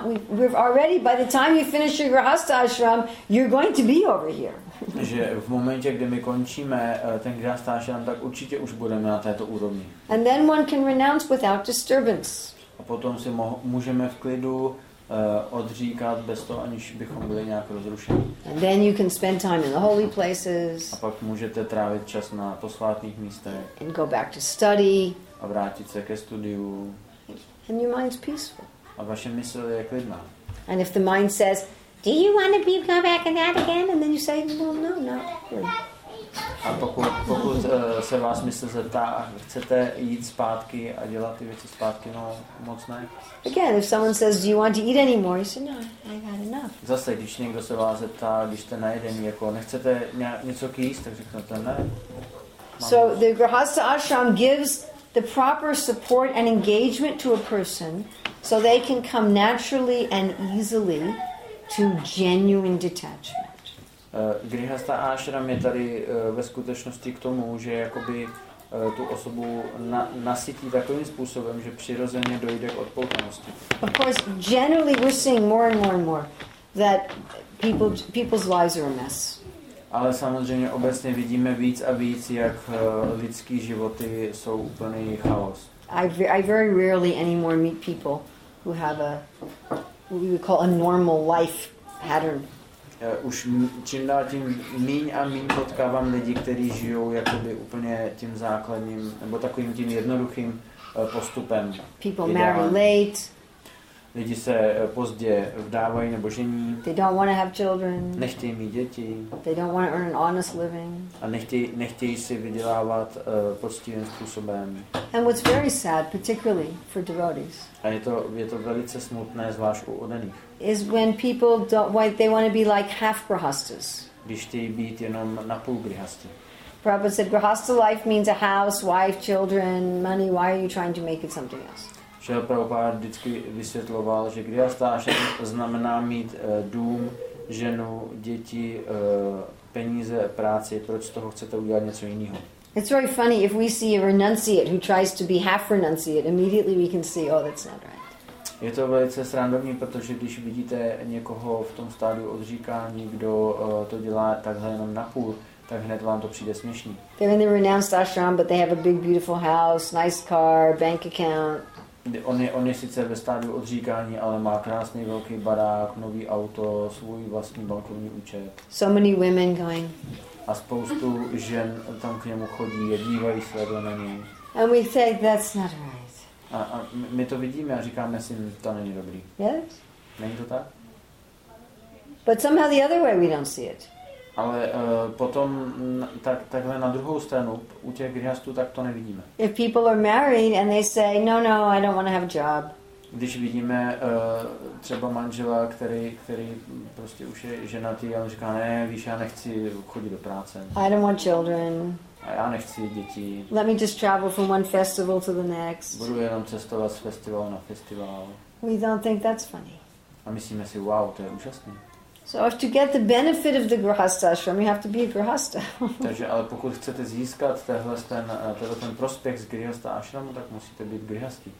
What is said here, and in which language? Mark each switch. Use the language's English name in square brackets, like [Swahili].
[English] We've already, by the time you finish your grihastha ashram, you're going to be over here. [Czech] Že v momentě, kdy my končíme ten grihastha ashram, tak určitě už budeme na této úrovni. [English] And then one can renounce without disturbance. [Czech] A potom si můžeme v klidu odříkat bez toho, aniž bychom byli nějak rozrušeni. [English] And then you can spend time in the holy places. [Czech] A pak můžete trávit čas na posvátných místech. [English] And go back to study. [Czech] A vrátit se ke studiu. [English] And your mind's peaceful. [Czech] A vaše mysl je klidná. [English] And if the mind says, do you want to be go back in that again? And then you say, well, no, not really. [Czech] A pokud se vás mysl zeptá, chcete jít zpátky a dělat ty věci zpátky, no, moc ne. [English] Again, if someone says, do you want to eat anymore? You say, no, I had enough. [Czech] Zase, když někdo se vás zeptá, když jste najedený, jako nechcete něco jíst, tak řeknete, ne. [English] So the grihastha ashram gives the proper support and engagement to a person so they can come naturally and easily to genuine detachment. [Czech] Grihastha ashram je tady ve skutečnosti k tomu, že jakoby tu osobu nasytí takovým způsobem, že přirozeně dojde k odpoutanosti. [English] Of course, generally we're seeing more and more and more that people's lives are a mess. [Czech] Ale samozřejmě obecně vidíme víc a víc, jak lidský životy jsou úplný chaos. [English] I very rarely anymore meet people who have a what we would call a normal life pattern. [Czech] Už čím dál tím míň a míň potkávám lidi, kteří žijou jakoby úplně tím základním nebo takovým tím jednoduchým postupem. [English] People marry late. [Czech] Lidi se pozdě vdávají nebo žení. [English] They don't want to have children. [Czech] Nechtějí mít děti. [English] They don't want to earn an honest living. [Czech] A nechtějí si vydělávat poctivým způsobem. [English] And what's very sad, particularly for devotees. [Czech] A je to velice smutné, zvlášť u oddaných. [English] Is when people they want to be like half grihasthas. [Czech] Když chtějí být jenom napůl grihasty. [English] Prabhupada said grihastha life means a house, wife, children, money. Why are you trying to make it something else? [Czech] Šel Prabhupád vždycky vysvětloval, že grihastha ashram znamená mít dům, ženu, děti, peníze, práci. Proč z toho chcete udělat něco jiného? [English] It's very funny if we see a renunciate who tries to be half renunciate, immediately we can see, oh, that's not right. [Czech] Je to velice srandovní, protože když vidíte někoho v tom stádiu odříkání, kdo to dělá takhle jenom napůl, tak hned vám to přijde směšný. [English] They're in the renounced ashram, but they have a big, beautiful house, nice car, bank account. [Czech] On je sice ve stádiu odříkání, ale má krásný velký barák, nový auto, svůj vlastní bankovní účet. [English] So many women going. [Czech] A spoustu žen tam k němu chodí, dívají se do něj. [English] And we say that's not right. [Czech] A my to vidíme a říkáme si, to není dobrý. [English] Yes. [Czech] Není to tak? [English] But somehow the other way we don't see it. [Czech] Ale potom takhle na druhou stranu u těch grihastů tak to nevidíme. [English] If people are married and they say, no, no, I don't want to have a job. [Czech] Když vidíme třeba manžela, který prostě už je ženatý, ale říká, ne, víš, já nechci chodit do práce. [English] I don't want children. [Czech] A já nechci děti. [English] Let me just travel from one festival to the next. [Czech] Budu jenom cestovat z festivalu na festival. [English] We don't think that's funny. [Czech] A myslíme si, wow, to je úžasný. [English] So if to get the benefit of the grihastha ashram, you have to be a grihastha. [Czech] Takže ale pokud chcete získat tenhle ten prospekt z grihastha ashramu, tak musíte být grihasti.